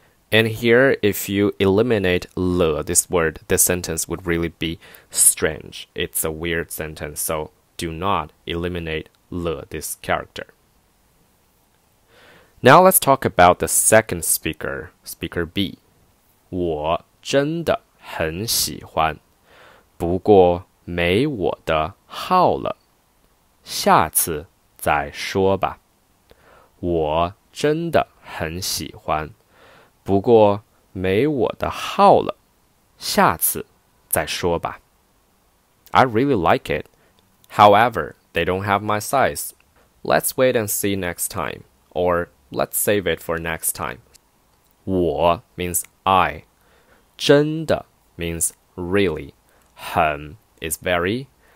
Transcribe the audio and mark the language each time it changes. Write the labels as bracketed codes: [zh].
[en] And here, if you eliminate 了, this word, this sentence would really be strange. It's a weird sentence, so do not eliminate 了, this character. Now let's talk about the second speaker, speaker B. [zh] 我真的很喜欢,不过没我的号了,下次再说吧。我真的很喜欢。不过没我的号了,下次再说吧。 [en] I really like it. However, they don't have my size. Let's wait and see next time, or let's save it for next time. [zh] 我 [en] means I. 真的 means really. 很 is very.